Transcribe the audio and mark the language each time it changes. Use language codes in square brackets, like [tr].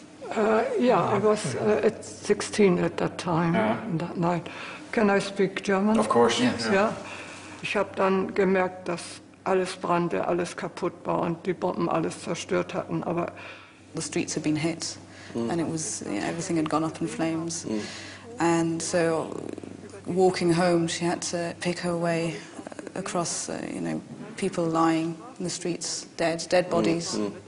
[en] I was at 16 at that time, that night. Can I speak German? Of course, yes. Yeah. [de] Ich habe dann gemerkt, dass alles brannte, alles kaputt war und die Bomben alles zerstört hatten, aber... [en] The streets had been hit, and it was, everything had gone up in flames. And so, walking home, she had to pick her way across, people lying in the streets, dead bodies.